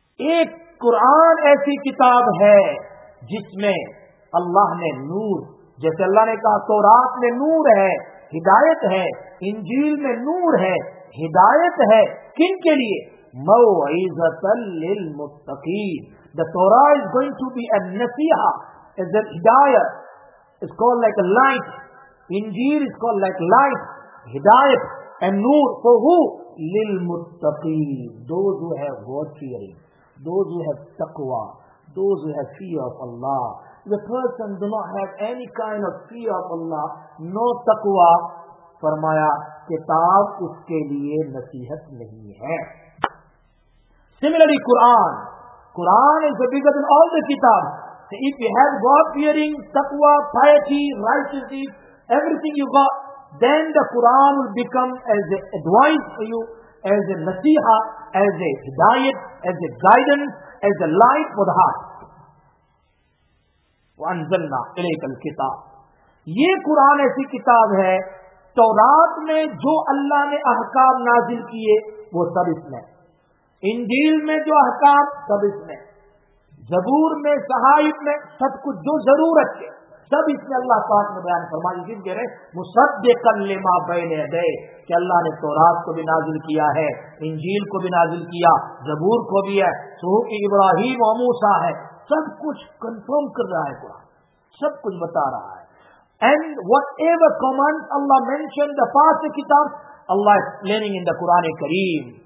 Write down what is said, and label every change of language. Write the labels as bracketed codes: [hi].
[ur] ایک قرآن ایسی کتاب ہے جس میں اللہ نے نور, جیسے اللہ نے کہا تورات میں نور ہے, ہدایت ہے, انجیل میں نور ہے, ہدایت ہے, کن کے لیے؟ [ar] مَوْعِزَةً لِلْمُتَّقِينَ. [en] The Torah is going to be a nasiha, is a hidayah, it's called like a light. Injeel is called like light, hidayah, and noor. For who? لِلْمُتَّقِينَ. Those who have God-fearing, those who have taqwa, those who have fear of Allah. The person do not have any kind of fear of Allah, no taqwa. [ur] فرمایا کتاب اس کے لیے نصیحت نہیں ہے. [en] Similarly, Quran. Quran is bigger than all the kitab. So if you have God-fearing, taqwa, piety, righteousness, everything you got, then the Quran will become as an advice for you, as a nasiha, as a diet, as a guidance, as a light for the heart. [ar] وَأَنزَلْنَا إِلَيْكَ الْكِتَابِ. [ur] یہ قرآن ایسی کتاب ہے, تورات میں جو اللہ نے احکام نازل کیے وہ سب اس میں, انجیل میں جو احکام سب اس میں, زبور میں, صحائف میں, سب کچھ جو ضرورت ہے سب اس میں اللہ پاک نے بیان فرمایا. جن کہہ رہے [ar] مصدقا لما بین یدی, [ur] کہ اللہ نے تورات کو بھی نازل کیا ہے, انجیل کو بھی نازل کیا, زبور کو بھی ہے, صحف ابراہیم و موسیٰ ہے, سب کچھ کنفرم کر رہا ہے قرآن, سب کچھ بتا رہا ہے. [en] And whatever commands Allah mentioned, the past kitab, Allah is explaining in the Quran Kareem.